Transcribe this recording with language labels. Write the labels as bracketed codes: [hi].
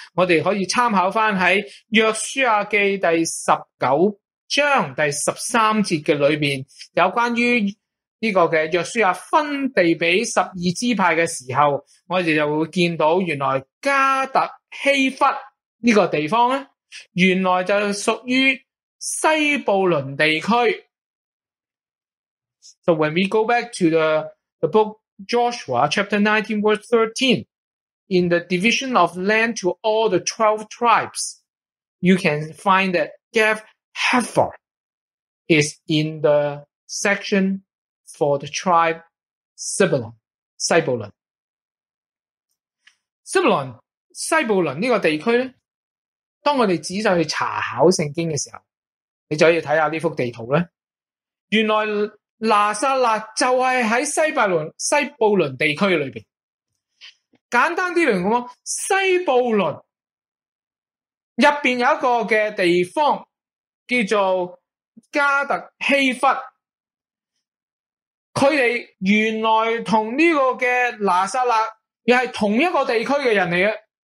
[zh] 我们可以参考回在约书亚记第19章第13节的里面，有关于这个的约书亚分地给十二支派的时候，我们就会见到原来加特希弗这个地方呢，原来就属于西布伦地区。 [en] So when we go back to the book Joshua chapter 19 verse 13 in the division of land to all the 12 tribes, you can find that GathHepher is in the section for the tribe Zebulun, Zebulun. [zh] Zebulun, 西布伦这个地区当我们仔细去查考圣经的时候，你就要看看这幅地图呢，原来拿撒勒就是在西布伦地区里面。简单一点说，西布伦入面有一个地方叫做加特希弗，他们原来跟这个拿撒勒也是同一个地区的人来的。